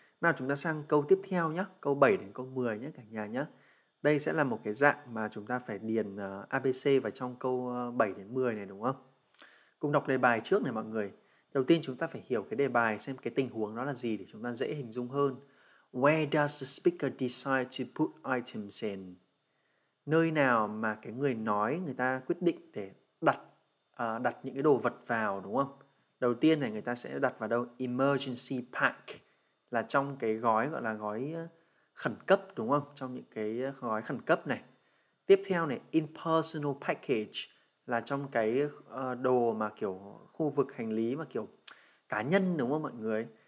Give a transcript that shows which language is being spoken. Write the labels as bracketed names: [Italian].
[Vietnamese] Nào, chúng ta sang câu tiếp theo nhé. Câu 7 đến câu 10 nhé, cả nhà nhé. Đây sẽ là một cái dạng mà chúng ta phải điền ABC vào trong câu 7 đến 10 này, đúng không? Cùng đọc đề bài trước này mọi người. Đầu tiên chúng ta phải hiểu cái đề bài, xem cái tình huống đó là gì để chúng ta dễ hình dung hơn. [English] Where does the speaker decide to put items in? [Vietnamese] Nơi nào mà cái người nói người ta quyết định để đặt những cái đồ vật vào, đúng không? Đầu tiên này người ta sẽ đặt vào đâu? Emergency pack là trong cái gói gọi là gói khẩn cấp, đúng không? Trong những cái gói khẩn cấp này. Tiếp theo này, in personal package là trong cái đồ mà kiểu khu vực hành lý mà kiểu cá nhân, đúng không mọi người?